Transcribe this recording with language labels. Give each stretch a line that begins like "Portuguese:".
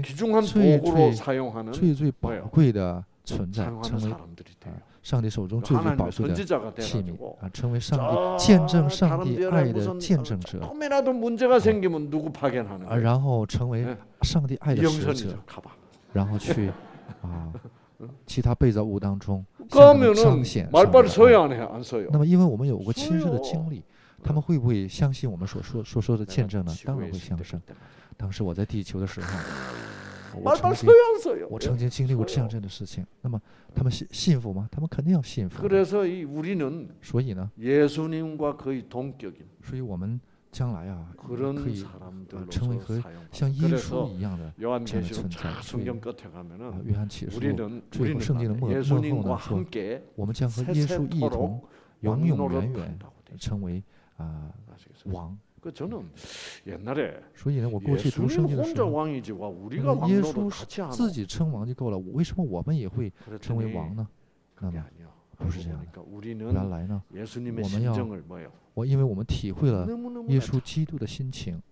Chinese: 最最最最宝贵的存在，成为上帝手中最最宝贵的器皿啊，成为上帝见证上帝爱的见证者。
Korean: 조금이라도문제가생기면누구파견하는
Chinese: 아然后成为上帝爱的使者，然后去啊其他被造物当中
Korean: 가면은 말발을 서야 안 해요? 안 서요.
Chinese: 那么因为我们有过亲身的经历，他们会不会相信我们所说所说的见证呢？当然会相信。当时我在地球的时候，我曾经经历过这样这样的事情。那么他们信服吗？他们肯定要信服。
Korean: 그래서이우리는
Chinese: 所以呢，
Korean: 예수님과거의동격인
Chinese: 所以我们将来啊，
Korean: 그런
Chinese: 可以成为和像耶稣一样的这样的存在。
Korean: 圣经끝에가면은
Chinese: 约翰启示录最后圣经的末后呢说，我们将和耶稣一同永永远远成为啊、王。
Korean: 그저는옛날에
Chinese: 所以呢我过去读圣经的时候，
Korean: 예수혼자왕이지우리가왕으로같이하
Chinese: 自己称王就够了，为什么我们也会成为王呢？那么不是这样的。原来呢，
Korean: 예수님의심정을뭐요？
Chinese: 我因为我们体会了耶稣基督的心情。